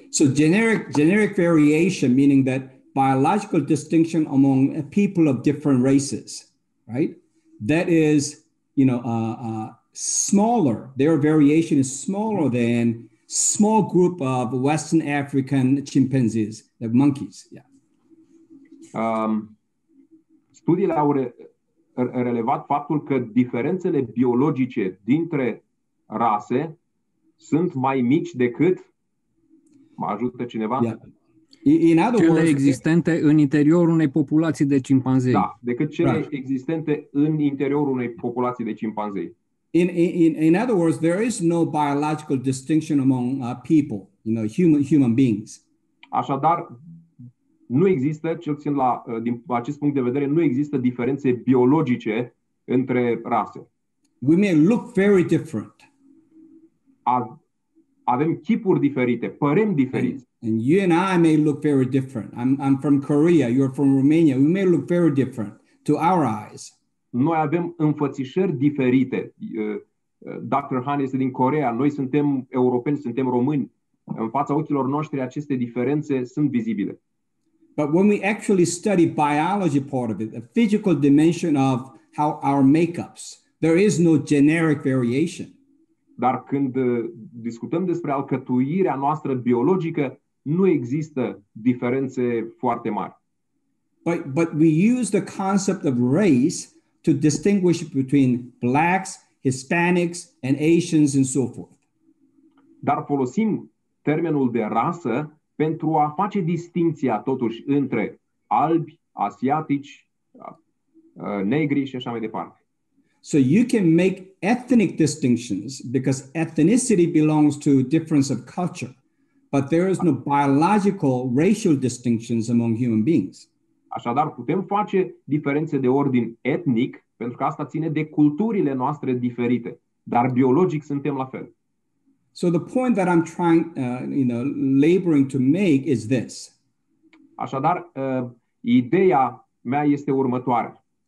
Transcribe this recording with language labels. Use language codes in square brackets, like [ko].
[en] So generic variation, meaning that biological distinction among people of different races, right? That is, smaller. Their variation is smaller than small group of Western African chimpanzees, like monkeys. Yeah. [ro] Studiile au relevat faptul că diferențele biologice dintre rase sunt mai mici decât, mă ajută cineva? [en] Yeah. In other words, [ro] cele existente în interiorul unei populații de chimpanzei. Da, decât cele right. existente în interiorul unei populații de chimpanzei. [en] In other words, there is no biological distinction among people, human beings. [ro] Așadar, nu există, cel puțin la din acest punct de vedere, nu există diferențe biologice între rase. [en] We may look very different. [ro] Avem chipuri diferite, părem diferiți. [en] And you and I may look very different. I'm from Korea, you're from Romania. We may look very different to our eyes. [ro] Noi avem înfățișări diferite. Dr. Han este din Corea, noi suntem europeni, suntem români. În fața ochilor noștri aceste diferențe sunt vizibile. [en] But when we actually study biology part of it, the physical dimension of how our makeups, there is no generic variation. [ro] Dar când discutăm despre alcătuirea noastră biologică, nu există diferențe foarte mari. [en] But we use the concept of race to distinguish between blacks, Hispanics, and Asians, and so forth. [ro] Dar folosim termenul de rasă pentru a face distinția totuși între albi, asiatici, negri și așa mai departe. [en] So you can make ethnic distinctions because ethnicity belongs to difference of culture, but there is no biological racial distinctions among human beings. [ro] Așadar, putem face diferențe de ordin etnic, pentru că asta ține de culturile noastre diferite, dar biologic suntem la fel. [en] So the point that I'm trying, laboring to make is this. [ro] Așadar, ideea mea este următoarea.